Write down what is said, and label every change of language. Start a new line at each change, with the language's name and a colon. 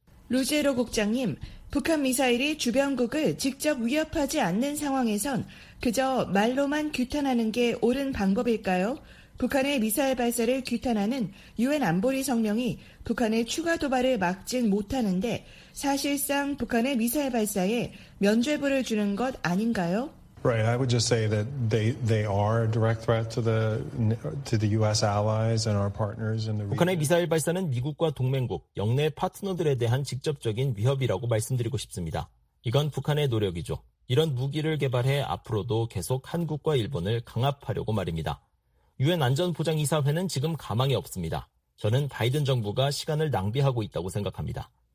Korean: 루제로 국장님, 북한 미사일이 주변국을 직접 위협하지 않는 상황에선 그저 말로만 규탄하는 게 옳은 방법일까요? 북한의 미사일 발사를 규탄하는 유엔 안보리 성명이 북한의 추가 도발을 막진 못하는데 사실상 북한의 미사일 발사에 면죄부를 주는 것 아닌가요?
English: Right, I would just say that they are a direct threat to the U.S. allies and our partners in the region.
Korean: 북한의 미사일 발사는 미국과 동맹국, 영내 파트너들에 대한 직접적인 위협이라고 말씀드리고 싶습니다. 이건 북한의 노력이죠. 이런 무기를 개발해 앞으로도 계속 한국과 일본을 강압하려고 말입니다. 유엔 안전보장이사회는 지금 가망이 없습니다. 저는 바이든 정부가 시간을 낭비하고 있다고 생각합니다.